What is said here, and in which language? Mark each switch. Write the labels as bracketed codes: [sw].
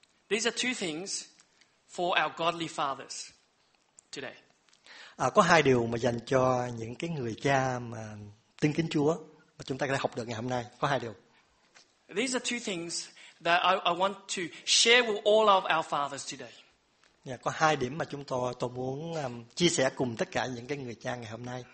[en] These are two things for our godly fathers today. [vi] Có hai điều mà dành cho những cái người cha mà tin kính Chúa mà chúng ta có thể học được ngày hôm nay. Có hai điều. [en] These are two things that I want to share with all of our fathers today. [vi] Có hai điểm mà tôi muốn chia sẻ cùng tất cả những cái người cha ngày hôm nay.